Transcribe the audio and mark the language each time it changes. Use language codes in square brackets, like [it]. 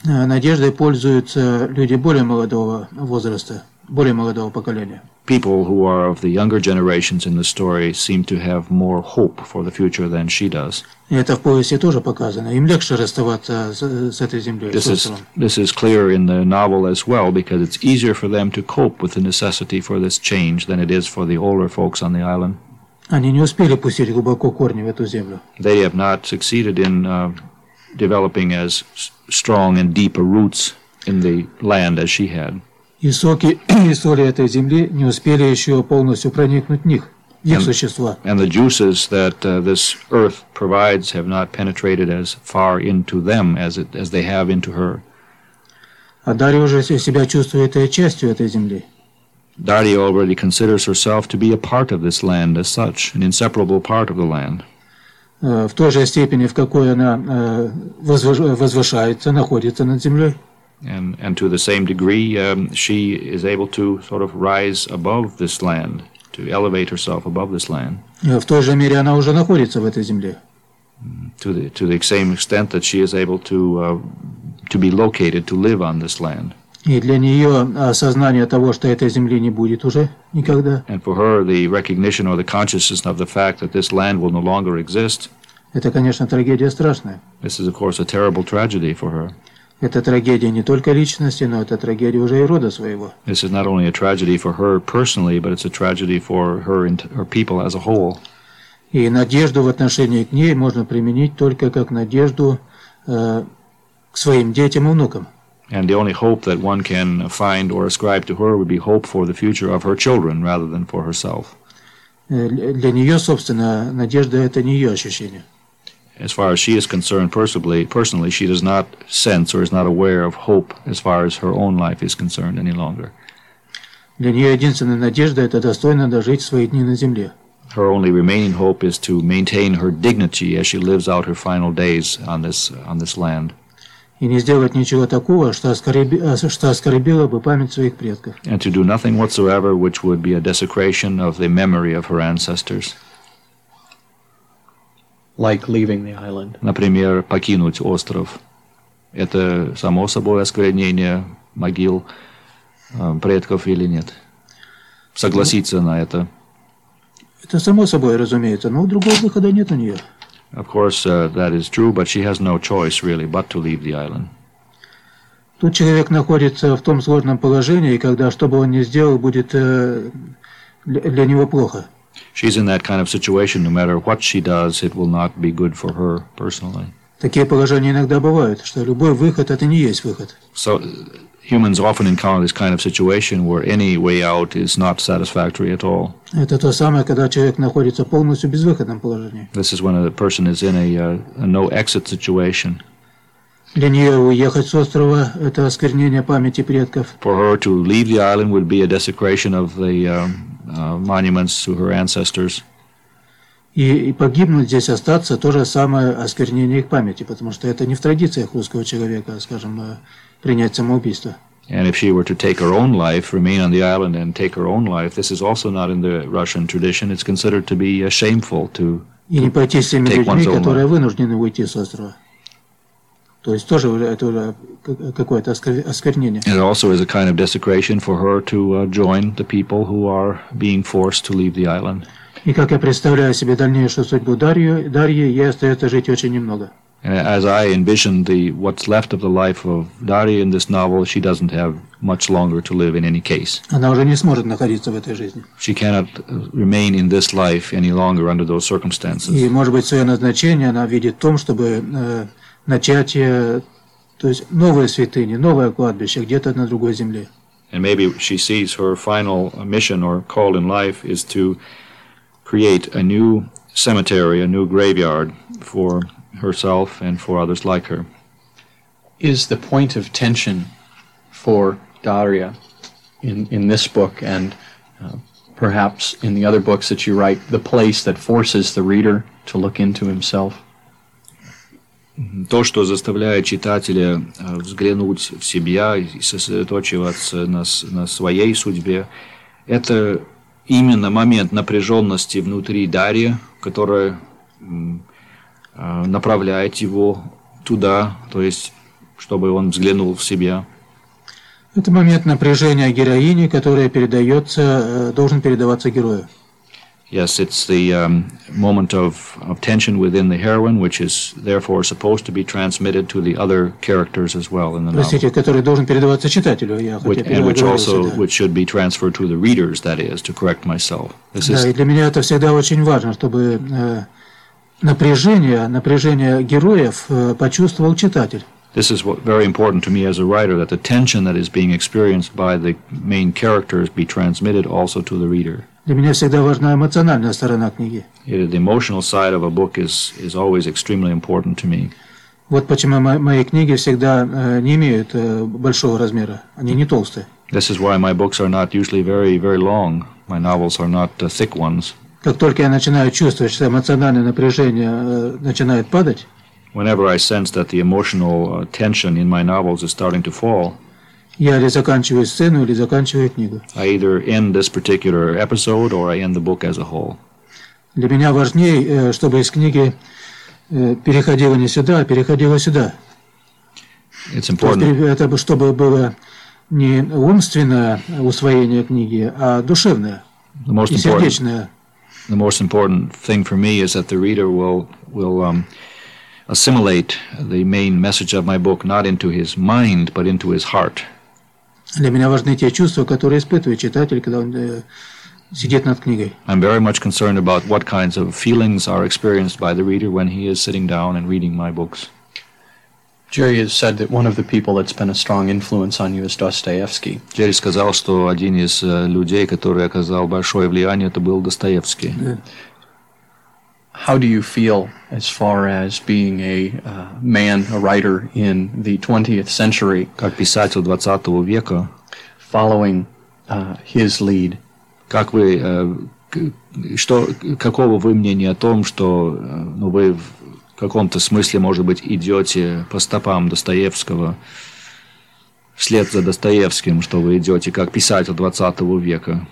[ru] Надеждой пользуются люди более молодого возраста, более молодого поколения. [en] People who are of the younger generations in the story seem to have more hope for the future than she does. [ru] Это в повести тоже показано. Им легче расставаться с этой землей. [en] This is clear in the novel as well, because it's easier for them to cope with the necessity for this change than it is for the older folks on the island. [ru] Они не успели пустить глубоко корни в эту землю. [en] They have not succeeded in developing as strong and deeper roots in the land as she had. [ru] И соки и соли этой земли не успели еще полностью проникнуть в них, в их существа. [en] And the juices that this earth provides have not penetrated as far into them as they have into her. [ru] А Дарья уже себя чувствует частью этой земли. [en] Дарья already considers herself to be a part of this land as such, an inseparable part of the land. [ru] В той же степени, в какой она возвышается, находится над землей. [en] And to the same degree, she is able to sort of rise above this land, to elevate herself above this land. [ru] В той же мере она уже находится в этой земле. [en] To the same extent that she is able to be located, to live on this land. [ru] И для нее осознание того, что этой земли не будет уже никогда. [en] And for her, the recognition or the consciousness of the fact that this land will no longer exist. [ru] Это, конечно, трагедия страшная. [en] This is, of course, a terrible tragedy for her. [ru] Это трагедия не только личности, но это трагедия уже и рода своего. [en] This is not only a tragedy for her personally, but it's a tragedy for her people as a whole. [ru] И надежду в отношении к ней можно применить только как надежду к своим детям и внукам. [en] And the only hope that one can find or ascribe to her would be hope for the future of her children rather than for herself. [ru] Для нее, собственно, надежда – это не ее ощущение. [en] As far as she is concerned personally, she does not sense or is not aware of hope as far as her own life is concerned any longer. [ru] Для нее единственная надежда – это достойно дожить свои дни на земле. [en] Her only remaining hope is to maintain her dignity as she lives out her final days on this land. [ru] И не сделать ничего такого, что оскорбило бы память своих предков. [en] And to do nothing whatsoever which would be a desecration of the memory of her ancestors. Like leaving the island. [ru] Например, покинуть остров. Это само собой осквернение могил предков или нет? Согласиться на это? Это само собой, разумеется, но другого выхода нет у нее. [en] Of course, that is true, but she has no choice really but to leave the island. [ru] Тут человек находится в том сложном положении, когда что бы он ни сделал, будет для него плохо. [en] She's in that kind of situation. No matter what she does, it will not be good for her personally. [ru] Такие положения иногда бывают, что любой выход – это не есть выход. [en] So humans often encounter this kind of situation where any way out is not satisfactory at all. [ru] Это то самое, когда человек находится полностью в безвыходном положении. [en] This is when a person is in a no-exit situation. [ru] Для нее уехать с острова – это осквернение памяти предков. [en] For her to leave the island would be a desecration of the monuments to her ancestors. [ru] И погибнуть здесь остаться – то же самое осквернение их памяти, потому что это не в традициях русского человека, скажем, принять самоубийство. [en] And if she were to take her own life, remain on the island and take her own life, this is also not in the Russian tradition. It's considered to be shameful to [ru] и не пойти с теми людьми, которые вынуждены уйти с острова. То есть тоже это какое-то осквернение. [en] It also is a kind of desecration for her to join the people who are being forced to leave the island. [ru] И как я представляю себе дальнейшую судьбу Дарьи, ей остается жить очень немного. [en] As I envision the what's left of the life of Дарьи in this novel, she doesn't have much longer to live in any case. [ru] Она уже не сможет находиться в этой жизни. [en] She cannot remain in this life any longer under those circumstances. [ru] И, может быть, свое назначение она видит в том, чтобы начать, то есть, новые святыни, новое кладбище где-то на другой земле. [en] And maybe she sees her final mission or call in life is to create a new cemetery, a new graveyard for herself and for others like her. Is the point of tension for Daria in this book and perhaps in the other books that you write the place that forces the reader to look into himself? [ru] То, что заставляет читателя взглянуть в себя и сосредоточиваться на своей судьбе, это именно момент напряженности внутри Дарьи, которая направляет его туда, то есть, чтобы он взглянул в себя. Это момент напряжения героини, которая передается, должен передаваться герою. [en] Yes, it's the moment of tension within the heroine, which is therefore supposed to be transmitted to the other characters as well in the novel. [ru] Простите, который должен передаваться читателю, я хотел передать. [en] And which also which should be transferred to the readers, that is, to correct myself. This is. [ru] Да, и для меня это всегда очень важно, чтобы напряжение героев почувствовал читатель. [en] This is what very important to me as a writer, that the tension that is being experienced by the main characters be transmitted also to the reader. [ru] Для меня всегда важна эмоциональная сторона книги. [en] The emotional side of a book is always extremely important to me. [ru] Вот почему мои книги всегда не имеют большого размера. Они не толстые. [en] This is why my books are not usually very, very long. My novels are not thick ones. [ru] Как только я начинаю чувствовать, что эмоциональное напряжение начинает падать, [en] whenever I sense that the emotional tension in my novels is starting to fall, [ru] я или заканчиваю сцену, или заканчиваю книгу. [en] I either end this particular episode or I end the book as a whole. [ru] Для меня важнее, чтобы из книги переходило не сюда, а переходило сюда. [en] It's important. [ru] Это чтобы было не умственное усвоение книги, а душевное и сердечное. [en] The most important thing for me is that the reader will assimilate the main message of my book not into his mind, but into his heart. [ru] Для меня важны те чувства, которые испытывает читатель, когда он сидит над книгой. [en] I'm very much concerned about what kinds of feelings are experienced by the reader when he is sitting down and reading my books. Jerry has said that one of the people that's been a strong influence on you is Dostoevsky. [ru] Jerry сказал, что один из людей, который оказал большое влияние, это был Достоевский. [en] How do you feel as far as being a man, a writer in the 20th century? [ru] Как писатель 20 века? [en] Following his lead. [ru] Как вы что какого вы мнения о том, что ну вы в каком-то смысле, может быть, идете по стопам Достоевского вслед за Достоевским, что вы идете как писатель 20 века?